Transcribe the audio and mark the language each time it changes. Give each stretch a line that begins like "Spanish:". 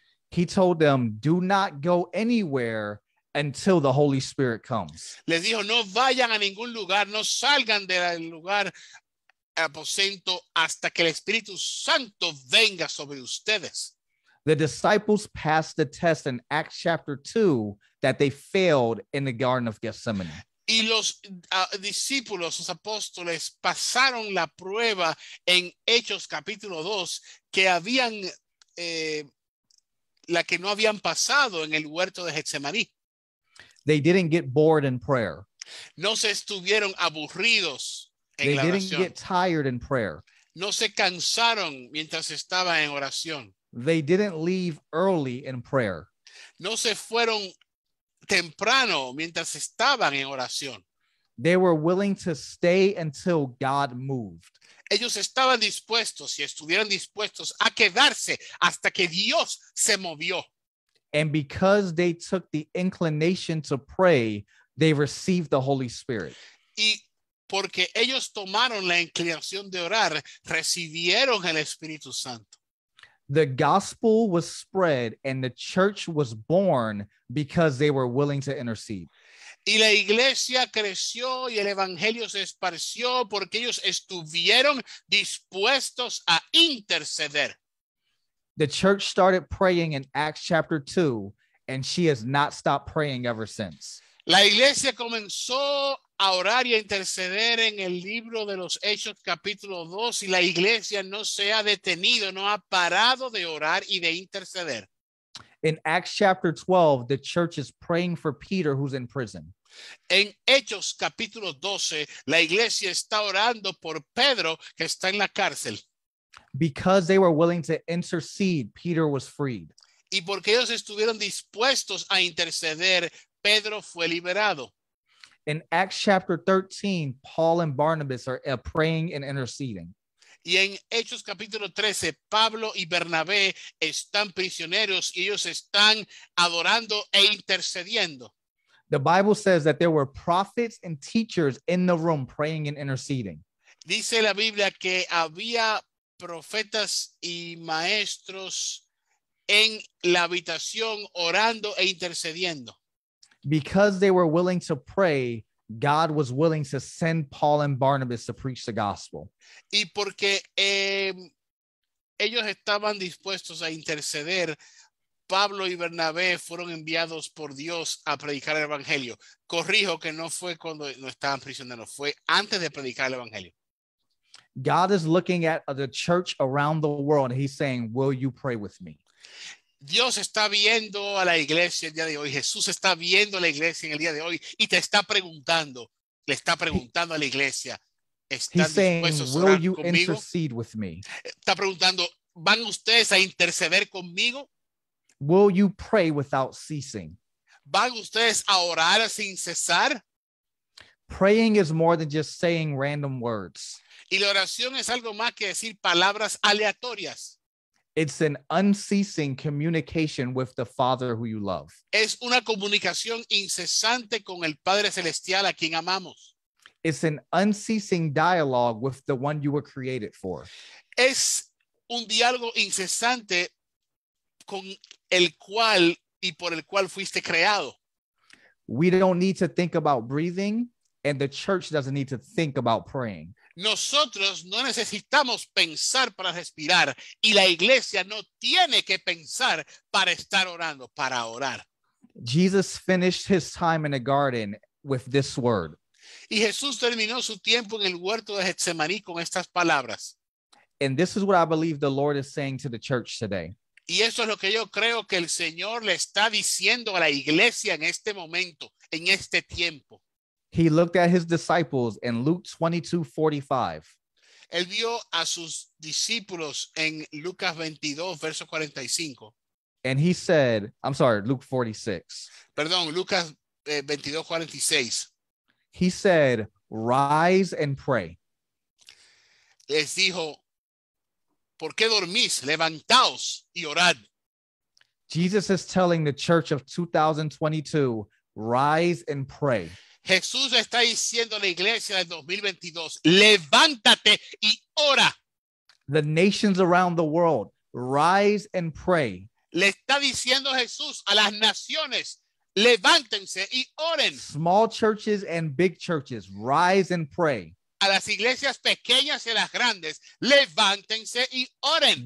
English: He told them, do not go anywhere until the Holy Spirit comes.
Spanish: Les dijo, no vayan a ningún lugar, no salgan del lugar aposento hasta que el Espíritu Santo venga sobre ustedes.
English: The disciples passed the test in Acts chapter 2 that they failed in the Garden of Gethsemane.
Spanish: Y los discípulos, los apóstoles, pasaron la prueba en Hechos capítulo 2 que habían la que no habían pasado en el huerto de Getsemaní.
English: They didn't get bored in prayer.
Spanish: No se estuvieron aburridos en la oración.
English: They didn't get tired in prayer.
Spanish: No se cansaron mientras estaba en oración.
English: They didn't leave early in prayer.
Spanish: No se fueron temprano mientras estaban en oración.
English: They were willing to stay until God moved.
Spanish: Ellos estaban dispuestos y estuvieron dispuestos a quedarse hasta que Dios se movió.
English: And because they took the inclination to pray, they received the Holy Spirit.
Spanish: Y porque ellos tomaron la inclinación de orar, recibieron el Espíritu Santo.
English: The gospel was spread and the church was born because they were willing to intercede.
Spanish: Y la iglesia creció y el evangelio se esparció porque ellos estuvieron dispuestos a interceder.
English: The church started praying in Acts chapter 2 and she has not stopped praying ever since.
Spanish: La iglesia comenzó a orar y a interceder en el libro de los Hechos capítulo 2 y la iglesia no se ha detenido, no ha parado de orar y de interceder.
English: In Acts chapter 12, the church is praying for Peter who's in prison.
Spanish: En Hechos capítulo 12, la iglesia está orando por Pedro que está en la cárcel.
English: Because they were willing to intercede, Peter was freed.
Spanish: Y porque ellos estuvieron dispuestos a interceder, Pedro fue liberado.
English: In Acts chapter 13, Paul and Barnabas are praying and interceding.
Spanish: Y en Hechos capítulo 13, Pablo y Bernabé están prisioneros y ellos están adorando e intercediendo.
English: The Bible says that there were prophets and teachers in the room praying and interceding.
Spanish: Dice la Biblia que había profetas y maestros en la habitación orando e intercediendo.
English: Because they were willing to pray, God was willing to send Paul and Barnabas to preach the gospel.
Spanish: Y porque ellos estaban dispuestos a interceder, Pablo y Bernabé fueron enviados por Dios a predicar el evangelio. Corrijo que no fue cuando no estaban prisioneros, fue antes de predicar el evangelio.
English: God is looking at the church around the world and he's saying, "Will you pray with me?"
Spanish: Dios está viendo a la iglesia el día de hoy. Jesús está viendo a la iglesia en el día de hoy y te está preguntando, le está preguntando a la iglesia, ¿están dispuestos a orar conmigo?
English: He's saying, "Will you intercede with me?"
Spanish: Está preguntando, ¿van ustedes a interceder conmigo?
English: Will you pray without ceasing?
Spanish: ¿Van ustedes a orar sin cesar?
English: Praying is more than just saying random words.
Spanish: Y la oración es algo más que decir palabras aleatorias.
English: It's an unceasing communication with the Father who you love.
Spanish: Es una comunicación incesante con el Padre Celestial a quien amamos.
English: It's an unceasing dialogue with the one you were created for.
Spanish: Es un diálogo incesante con el cual y por el cual fuiste creado.
English: We don't need to think about breathing, and the church doesn't need to think about praying.
Spanish: Nosotros no necesitamos pensar para respirar y la iglesia no tiene que pensar para estar orando, para orar.
English: Jesus finished his time in the garden with this word.
Spanish: Y Jesús terminó su tiempo en el huerto de Getsemaní con estas palabras.
English: And this is what I believe the Lord is saying to the church today.
Spanish: Y eso es lo que yo creo que el Señor le está diciendo a la iglesia en este momento, en este tiempo.
English: He looked at his disciples in Luke 22:45.
Spanish: Él vio a sus discípulos en Lucas 22:45.
English: And he said, I'm sorry, Luke 46.
Spanish: Perdón, Lucas 22:46.
English: He said, rise and pray.
Spanish: Les dijo, ¿por qué dormís? Levantaos y orad.
English: Jesus is telling the church of 2022, rise and pray.
Spanish: Jesús está diciendo a la iglesia del 2022, levántate y ora.
English: The nations around the world, rise and pray.
Spanish: Le está diciendo Jesús a las naciones, levántense y oren.
English: Small churches and big churches, rise and pray.
Spanish: A las iglesias pequeñas y las grandes, levántense y oren.